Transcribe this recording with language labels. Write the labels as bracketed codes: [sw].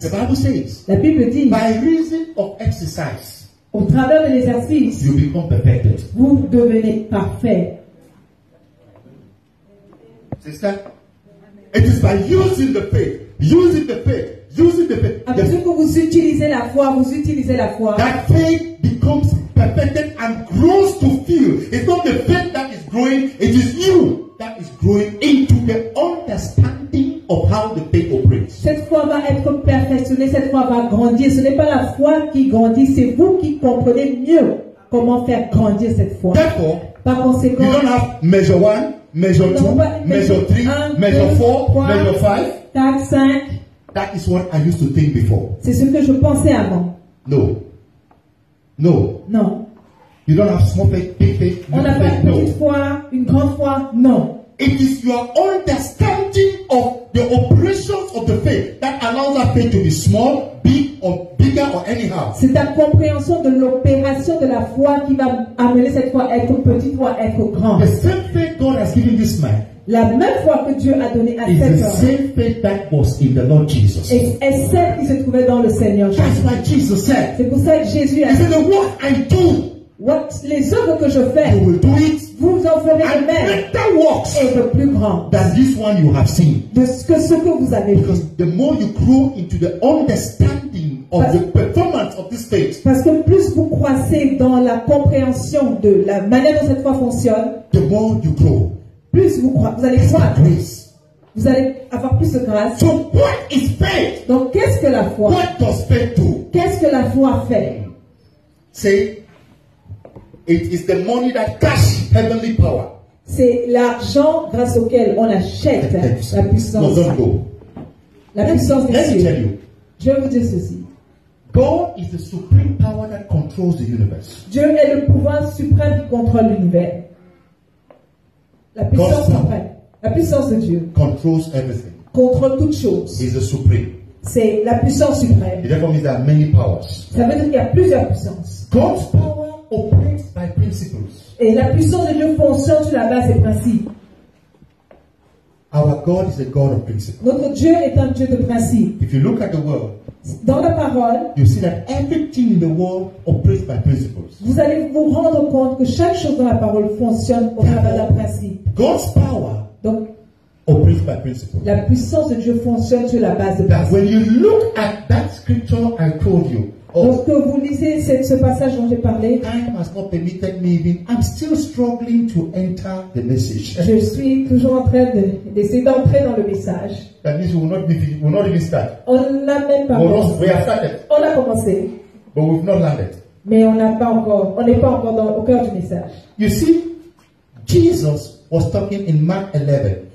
[en] The Bible says, [fr] la Bible dit, [en] by reason of exercise, [fr] au travers de l'exercice, [en] you become perfected. [fr] Vous devenez parfait. C'est ça. [en] It is by using the faith, using the faith, using the faith. [fr] À mesure que vous utilisez la foi, vous utilisez la foi. [en] That faith becomes perfected and grows to fill. It's not the faith that is growing, it is you that is growing into the understanding of how the faith operates. [fr] Cette foi va être perfectionnée, cette foi va grandir. Ce n'est pas la foi qui grandit, c'est vous qui comprenez mieux comment faire grandir cette foi. [en] Therefore, [fr] par conséquent, [en] you don't have measure one, measure 2, measure 3, measure 4, measure 5. [fr] Quatre, cinq. [en] That is what I used to think before. [fr] C'est ce que je pensais avant. [en] No. No. [fr] Non. [en] You don't have small faith, big faith. [fr] On n'a pas une petite foi, une grande foi. Non. [en] It is your understanding of the operations of the faith that allows that faith to be small, big, or bigger, or anyhow. [fr] C'est ta compréhension de l'opération de la foi qui va amener cette foi être petite ou à être grande. [en] The same faith God has given this man. [fr] La même foi que Dieu a donné à cet homme. [en] Is the same faith that was in the Lord Jesus. [fr] Et celle qui se trouvait dans le Seigneur Jésus. [en] That's what Jesus said. [fr] C'est pour ça que Jésus a dit. [en] He said, what I do. [fr] What, les œuvres que je fais, [en] you will do it, [fr] vous en ferez de même, [en] greater works, [fr] et de plus grand, [en] than this one you have seen, [fr] de ce que vous avez [en] because [fr] vu. [en] The more you grow into the understanding of the performance of this faith, [fr] parce que plus vous croissez dans la compréhension de la manière dont cette foi fonctionne, [en] the more you grow, [fr] plus vous allez croire, [en] grace, [fr] vous allez avoir plus de grâce. [en] So what is faith? [fr] Donc qu'est-ce que la foi? [en] What does faith do? [fr] Qu'est-ce que la foi fait? [en] C'est it is the money that cash heavenly power. [fr] C'est l'argent grâce auquel on achète la puissance. [en] No, don't go. [fr] La puissance [en] let me tell you. [fr] Je vais vous dire ceci. [en] God is the supreme power that controls the universe. [fr] Dieu est le pouvoir suprême qui contrôle l'univers. La puissance suprême. La puissance de Dieu. [en] Controls everything. [fr] Contrôle toutes choses. [en] He's the supreme. [fr] C'est la puissance suprême. [en] It therefore means there are many powers. [fr] Ça veut dire qu'il y a plusieurs puissances. [en] God's power. By principles. [fr] Et la puissance de Dieu fonctionne sur la base des principes. [en] Our God is a God of principles. [fr] Notre Dieu est un Dieu de principes. [en] If you look at the world, [fr] dans la parole, [en] you see that everything in the world operates by principles. [fr] Vous allez vous rendre compte que chaque chose dans la parole fonctionne au travers d'un principe. [en] God's power. [fr] Donc, [en] operates by principles. [fr] La puissance de Dieu fonctionne sur la base des principes. [en] When you look at that scripture I told you. [fr] Lorsque vous lisez ce passage dont j'ai parlé, [en] time has not permitted me even, I'm still struggling to enter the message. [fr] Je suis toujours en train d'essayer d'entrer dans le message. [en] That means we will not even start. [fr] On n'a même pas commencé. On a commencé. [en] But we've not landed. [fr] Mais on n'a pas encore, on n'est pas encore dans, au cœur du message. [en] You see, Jesus was talking in Mark 11.